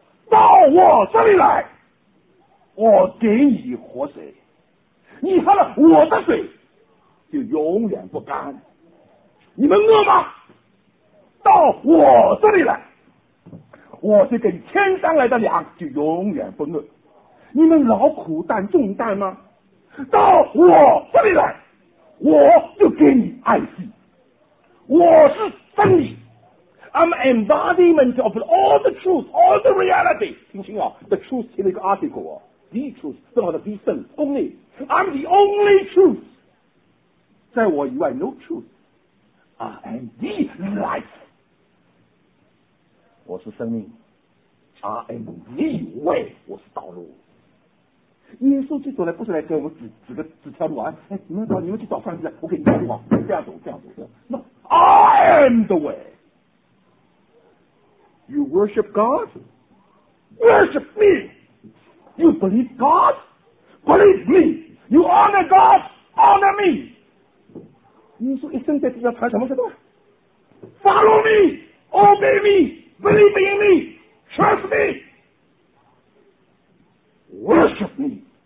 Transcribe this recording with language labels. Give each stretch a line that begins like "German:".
Chinese: 到我这里来，我给你活水，你喝了我的水就永远不干。你们饿吗？到我这里来，我这个天上来的粮就永远不饿。你们劳苦担重担吗？到我这里来，我就给你安息。我是真理，
English: I'm embodiment of all the truth, all the reality. 听清啊， the truth
Chinese: 提了一个
English: article， the truth
Chinese: 正好的
English: be sin only， I'm the only truth，
Chinese: 在我以外
English: no truth， I am the life，
Chinese: 我是生命，
English: I am the way，
Chinese: 我是道路。耶稣基督来不是来给我指个指条路啊！哎，你们找你们去找方向，我给你指路啊！这样走，这样走，这样走。
English: No, I am the way. You worship God, worship me. You believe God, believe me. You honor God, honor me.
Chinese: 耶稣一生在地上传什么什么
English: ？Follow me, obey me, believe in me, trust me, worship me.